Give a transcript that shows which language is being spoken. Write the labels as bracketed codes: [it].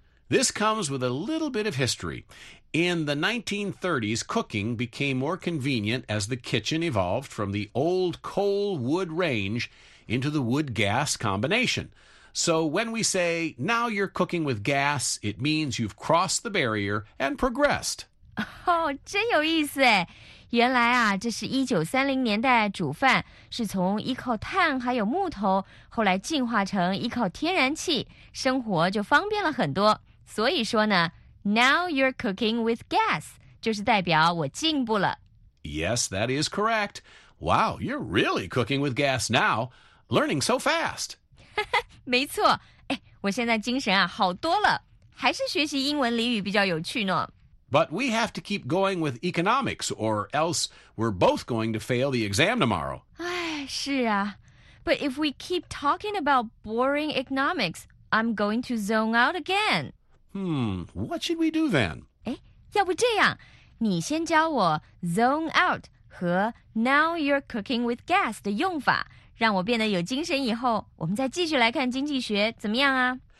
[en] This comes with a little bit of history. In the 1930s, cooking became more convenient as the kitchen evolved from the old coal-wood range into the wood-gas combination. So when we say, now you're cooking with gas, it means you've crossed the barrier and progressed. [zh] 真有意思哎。原来啊，这是1930年代煮饭是从依靠碳还有木头，后来进化成依靠天然气，生活就方便了很多。所以说呢， [en] Now you're cooking with gas, [zh] 就是代表我进步了。 [en] Yes, that is correct. Wow, you're really cooking with gas now, learning so fast. [zh] 没错，我现在精神啊好多了，还是学习英文俚语比较有趣呢。 [en] But we have to keep going with economics, or else we're both going to fail the exam tomorrow. [zh] 哎，是啊。 [en] But if we keep talking about boring economics, I'm going to zone out again. Hmm, what should we do then? [zh] 哎，要不这样，你先教我 zone out 和 [en] now you're cooking with gas [zh] 的用法，让我变得有精神以后，我们再继续来看经济学，怎么样啊？